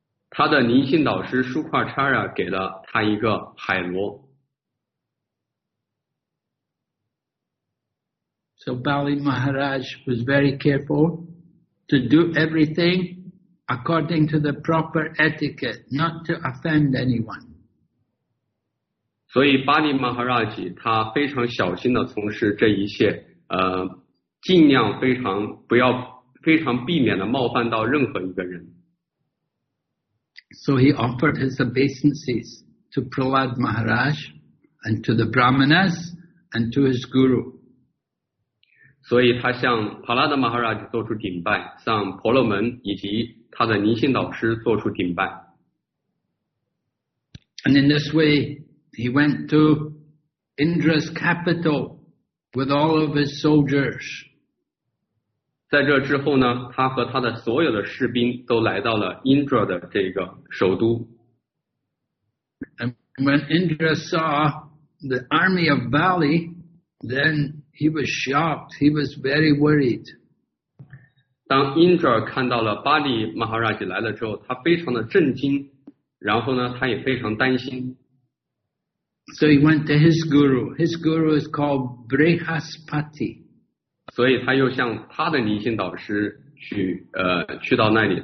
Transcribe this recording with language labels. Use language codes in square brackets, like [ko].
[zh] 他的尼信导师 Shukracharya 给了他一个海螺。 [en] So Bali Maharaj was very careful to do everything according to the proper etiquette, not to offend anyone. [zh] 所以巴利马哈拉吉他非常小心地从事这一切，尽量非常不要非常避免的冒犯到任何一个人。 [en] So he offered his obeisances to Prahlad Maharaj and to the Brahmanas and to his guru. [zh] 所以他向帕拉德马哈拉吉做出顶拜，向婆罗门以及他的尼信导师做出顶拜。 [en] And in this way, he went to Indra's capital with all of his soldiers. [zh] 在这之后呢，他和他的所有的士兵都来到了 Indra 的这个首都。 [en] And when Indra saw the army of Bali, then he was shocked. He was very worried. [zh] 当 Indra 看到了巴利马哈拉吉来了之后，他非常的震惊，然后呢，他也非常担心。 [en] So he went to his guru. His guru is called Brihaspati. [zh] 所以他又向他的尼信导师去，去到那里。